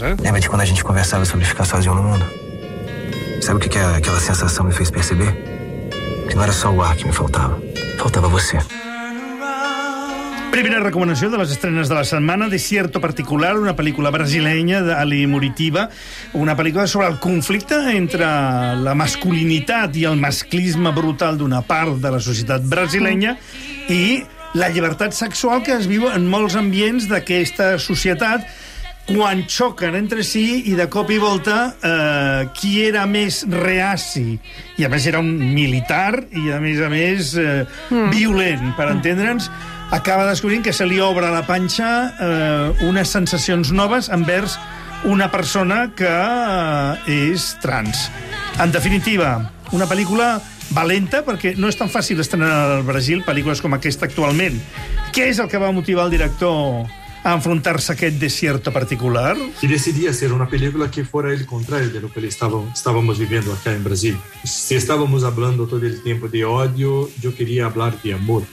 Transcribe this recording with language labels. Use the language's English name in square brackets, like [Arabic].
[Portuguese] Lembra de quan a gente conversava sobre ficar sozinho no mundo? Sabe o que aquela sensação me fez perceber? Que não era só o ar que me faltava. Faltava você. [Catalan] Primera recomanació de les estrenes de la setmana, Desierto Particular, una pel·lícula brasileña d'Ali Muritiba, una pel·lícula sobre el conflicte entre la masculinitat i el masclisme brutal d'una part de la societat brasileña i la llibertat sexual que es viu en molts ambients d'aquesta societat quan xoquen entre si i de cop i volta qui era més reaci i a més era un militar i a més violent, per entendre'ns, acaba descobrint que se li obre a la panxa unes sensacions noves envers una persona que és trans. En definitiva, una pel·lícula valenta, perquè no és tan fàcil estrenar al Brasil pel·lícules com aquesta actualment. Què és el que va motivar el director a enfrontar-se a aquest desierto particular? [Spanish] Y decidí hacer una película que fuera el contrario de lo que estábamos viviendo acá en Brasil. Si estábamos hablando todo el tiempo de odio, yo quería hablar de amor.